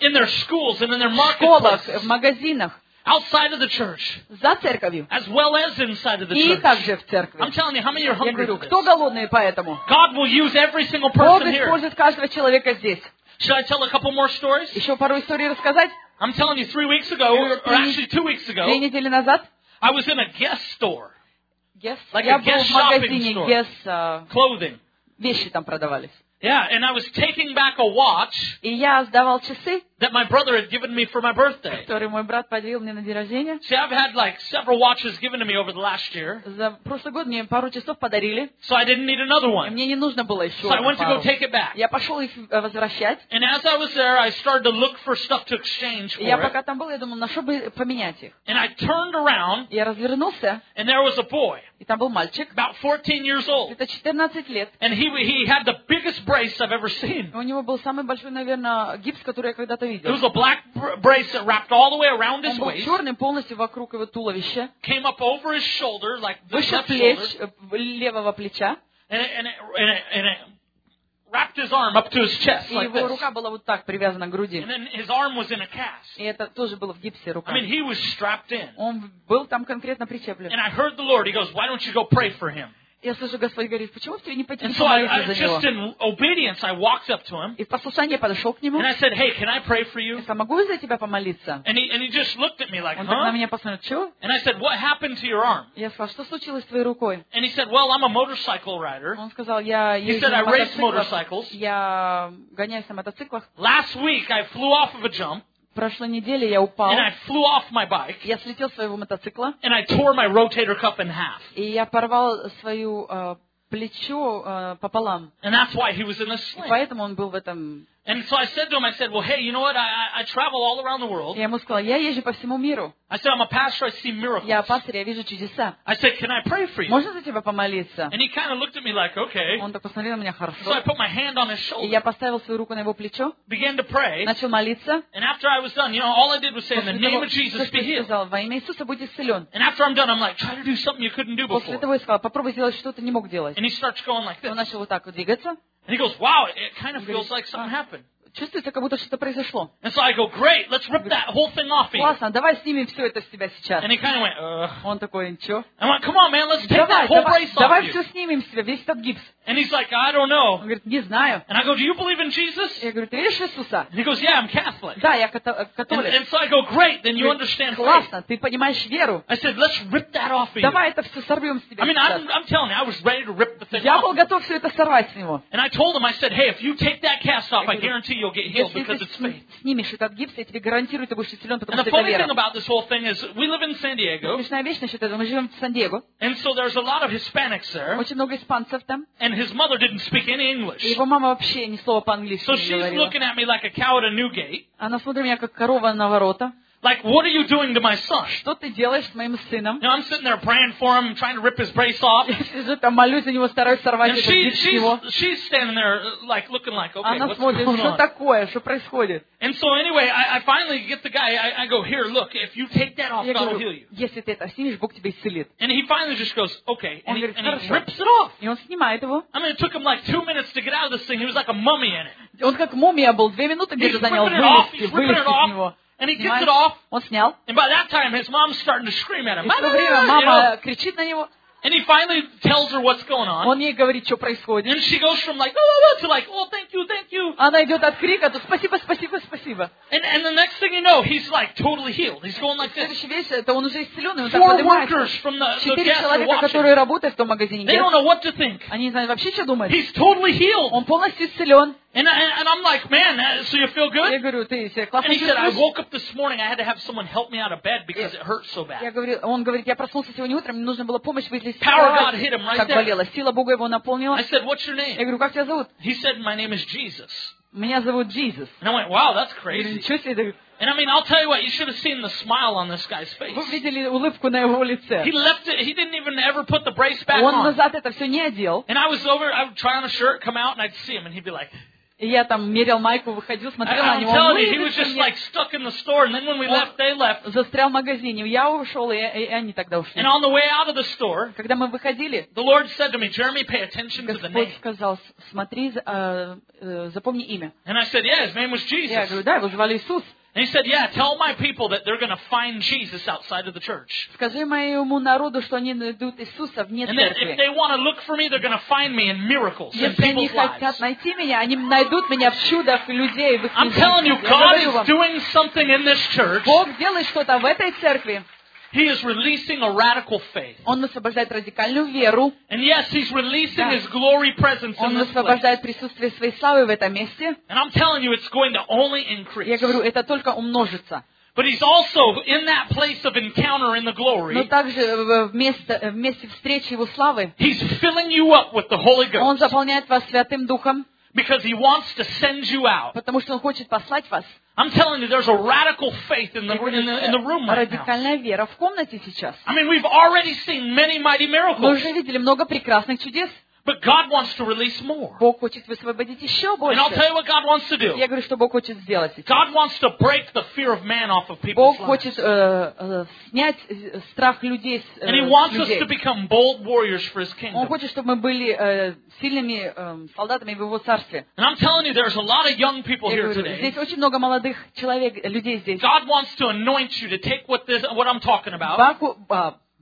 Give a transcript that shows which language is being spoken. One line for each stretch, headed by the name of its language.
English: In their schools and in their marketplaces.
Russian: В школах, в магазинах.
English: Outside of the church.
Russian: За церковью.
English: As well as inside of the
Russian: и
English: church.
Russian: И также в церкви.
English: I'm telling you, how many are hungry?
Russian: Я говорю, кто голодный по этому?
English: God will use every single person here.
Russian: Бог использует каждого человека здесь.
English: Should I tell a couple more stories?
Russian: Еще пару историй рассказать?
English: I'm telling you, 3 weeks ago, or actually 2 weeks ago.
Russian: 2 недели назад.
English: I was in a Guess store. Guess. Like
Russian: я
English: a Guess
Russian: был в магазине
English: store. Guess. Clothing.
Russian: Вещи там продавались.
English: Yeah, and I was taking back a watch.
Russian: И я сдавал часы.
English: That my brother had given me for my birthday.
Russian: Который мой брат подарил мне на день рождения.
English: See, I've had like several watches given to me over the last year.
Russian: За прошлый год мне пару часов подарили.
English: So I didn't need another one.
Russian: И мне не нужно было еще одну пару.
English: So I went to go take it back.
Russian: Я пошел их возвращать.
English: And as I was there, I started to look for stuff to exchange for it.
Russian: Я пока там был, я думал, на что бы поменять их.
English: And I turned around.
Russian: Я развернулся.
English: And there was a boy.
Russian: И там был мальчик.
English: About 14 years old.
Russian: Это 14 лет.
English: And he had the biggest brace I've ever seen.
Russian: У него был самый большой, наверное, гипс, который я когда-то.
English: It was a black brace that wrapped all the way around his waist.
Russian: Он был черным полностью вокруг его туловища.
English: Came up over his shoulder, like the
Russian: выше
English: left
Russian: плеч,
English: shoulder.
Russian: Левого плеча.
English: And it wrapped his arm up to his chest.
Russian: И
English: like
Russian: его Рука была вот так привязана к груди.
English: And then his arm was in a cast.
Russian: И это тоже было в гипсе рука.
English: I mean, he was strapped in.
Russian: Он был там конкретно прицеплен.
English: And I heard the Lord. He goes, "Why don't you go pray for him?"
Russian: Я слышу, Господь говорит, почему тебе не пойти
English: and so I just in obedience, I walked up to him.
Russian: И в послушании подошел к нему.
English: And I said, "Hey, can I pray for you?"
Russian: Я сказал, могу я за тебя помолиться?
English: And he just looked at me like,
Russian: он на меня посмотрел, чего?
English: And I said, "What happened to your arm?"
Russian: Я сказал, что случилось с твоей рукой?
English: And he said, "Well, I'm a motorcycle rider."
Russian: Он сказал, я езжу
English: на мотоциклах. He said, "I race motorcycles."
Russian: Я гоняюсь на мотоциклах.
English: Last week I flew off of a jump.
Russian: Прошлой неделе я упал.
English: And I flew off my bike.
Russian: Я слетел с своего мотоцикла.
English: And I tore my rotator cuff in half.
Russian: И я порвал свою плечо пополам.
English: And that's why he was in a sling.
Russian: И поэтому он был в этом
English: And so I said to him, I said, well, hey, you know what? I travel all around the world.
Russian: Я ему сказал, я езжу по всему миру.
English: I said, I'm a pastor, I see miracles.
Russian: Я пастор, я вижу чудеса.
English: I said, can I pray for you?
Russian: Можно за тебя помолиться?
English: And he kind of looked at me like, okay.
Russian: Он так посмотрел на меня, хорошо.
English: So I put my hand on his shoulder.
Russian: И я поставил свою руку на его плечо.
English: Began to pray.
Russian: Начал молиться.
English: And after I was done, you know, all I did was say, in the name of Jesus, be healed.
Russian: Сказал, во имя Иисуса будь исцелен.
English: And after I'm done, I'm like, try to do something you couldn't do before.
Russian: После того, я сказал, попробуй сделать что-то, не мог делать.
English: And he starts going like this.
Russian: Он начал вот так вот двигаться.
English: And he goes, wow, it kind of feels like something happened.
Russian: Чувствуется, как будто что-то произошло.
English: And so I go, great, let's rip that whole thing off you.
Russian: Классно, давай снимем все это с тебя сейчас.
English: And he kind of went,
Russian: Он такой, чё?
English: I went, come on, man, let's take that whole brace off.
Russian: Давай все снимем с тебя, весь этот гипс.
English: And he's like, I don't know.
Russian: Он говорит, не знаю.
English: And I go, do you believe in Jesus?
Russian: Я говорю, ты веришь в Иисуса?
English: And he goes, yeah, I'm Catholic.
Russian: Да, я католик.
English: And so I go, great, then you understand faith.
Russian: Классно, ты понимаешь веру.
English: I said, let's rip that off you.
Russian: Давай это все сорвем с тебя.
English: I mean, I'm telling you, I was ready to rip the thing off.
Russian: Я был готов все это сорвать с него.
English: And I told him, I said, hey, if you take that cast off, I guarantee you'll get healed because it's faith.
Russian: Снимешь этот гипс, я тебе гарантирую, ты будешь исцелен, потому что это вера.
English: And the funny thing about this whole thing is, we live in San Diego.
Russian: Смешная вещь насчет этого, мы живем в Сан-Диего.
English: And so there's a lot of Hispanics there.
Russian: Очень много испанцев там.
English: And his mother didn't speak any English.
Russian: Его мама вообще ни слова по-английски не говорила.
English: So she's looking at me like a cow at a new gate.
Russian: Она смотрит меня как корова на ворота.
English: Like, what are you doing to my son?
Russian: Что ты делаешь с моим сыном?
English: Now I'm sitting there praying for him, trying to rip his brace off.
Russian: Сижу там молюсь за него, стараюсь сорвать этот гипс с него.
English: She's standing there, like looking like, okay, what's going on?
Russian: Что такое, что происходит?
English: And so anyway, I finally get the guy. I go, here, look, if you take that off, God will heal you.
Russian: Если ты это снимешь, Бог тебя исцелит.
English: And he finally just goes, okay.
Russian: Он говорит, хорошо.
English: And he rips it off.
Russian: И он снимает его.
English: I mean, it took him like 2 minutes to get out of this thing. He was like a mummy in it.
Russian: Он как мумия был. 2 минуты где-то занял вылезти из него.
English: And he gets it off.
Russian: Он снял.
English: And by that time, his mom's starting to scream at him.
Russian: И в то время мама кричит на него.
English: And he finally tells her what's going on.
Russian: Он ей говорит, что происходит.
English: And she goes from like, oh, oh, oh, to like, oh, thank you, thank you.
Russian: Она идет от крика, то спасибо, спасибо, спасибо.
English: And the next thing you know, he's like totally healed. He's going like this.
Russian: Следующая вещь, это он уже исцеленный, он так поднимается.
English: Four workers from the gas are watching.
Russian: Четыре человека, которые работают в том магазине.
English: They don't know what to think.
Russian: Они не знают вообще, что думать.
English: He's totally healed.
Russian: Он полностью исцелен.
English: And I'm like, man, so you feel good?
Russian: Я говорю, ты себя классно чувствуешь?
English: And he said, I woke up this morning, I had to have someone help me out of bed because it hurt so bad.
Russian: Я говорю, он говорит, я проснулся сегодня утром, мне нужна была помощь вылезти из кровати.
English: Power God hit him right there.
Russian: Сила Бога его наполнила.
English: I said, what's your name?
Russian: Я говорю, как тебя зовут?
English: He said, my name is Jesus.
Russian: Меня зовут Jesus.
English: And I went, wow, that's crazy. And I mean, I'll tell you what, you should have seen the smile on this guy's face.
Russian: Вы видели улыбку на его лице.
English: He left it, he didn't even ever put the brace back
Russian: он
English: on.
Russian: Он назад это все не одел.
English: And I was over, I would try on a shirt, come out, and I'd see him, and he'd be like,
Russian: и я там мерил майку, выходил, смотрел на него. Он застрял в магазине. Я ушел, и они тогда ушли.
English: And on the way out of the store,
Russian: когда мы выходили,
English: the Lord said to me, Jeremy, pay attention to the name.
Russian: Господь сказал, смотри, запомни имя.
English: And I said, yeah, his name was Jesus.
Russian: Я говорю, да, его звали Иисус.
English: And he said, yeah, tell my people that they're going to find Jesus outside of the church.
Russian: Скажи моему народу, что они найдут Иисуса вне церкви.
English: And if they want to look for me, they're going to find me in miracles and people's
Russian: Если они хотят найти меня, они найдут меня в чудах людей.
English: I'm telling you, God is doing something in this church.
Russian: Бог делает что-то в этой церкви.
English: He is releasing a radical faith.
Russian: Он освобождает радикальную веру.
English: And yes, he's releasing his glory presence in this place.
Russian: Он освобождает присутствие своей славы в этом месте.
English: And I'm telling you, it's going to only increase.
Russian: Я говорю, это только умножится.
English: But he's also in that place of encounter in the glory.
Russian: Но также в месте встречи его славы.
English: He's filling you up with the Holy Ghost.
Russian: Он заполняет вас Святым Духом.
English: Because he wants to send you out.
Russian: Потому что он хочет послать вас.
English: I'm telling you, there's a radical faith in the room right now.
Russian: Радикальная вера в комнате сейчас.
English: I mean, we've already seen many mighty miracles.
Russian: Мы уже видели много прекрасных чудес.
English: But God wants to release more.
Russian: Бог хочет высвободить еще больше.
English: And I'll tell you what God wants to do.
Russian: Я говорю, что Бог хочет сделать сейчас.
English: God wants to break the fear of man off of people's
Russian: Бог
English: lives.
Russian: Хочет снять страх людей с
English: And he wants
Russian: людей.
English: Us to become bold warriors for his kingdom.
Russian: Он хочет, чтобы мы были сильными солдатами в его царстве.
English: And I'm telling you, there's a lot of young people
Russian: говорю,
English: here today.
Russian: Здесь очень много молодых человек, людей здесь.
English: God wants to anoint you to take what I'm talking about.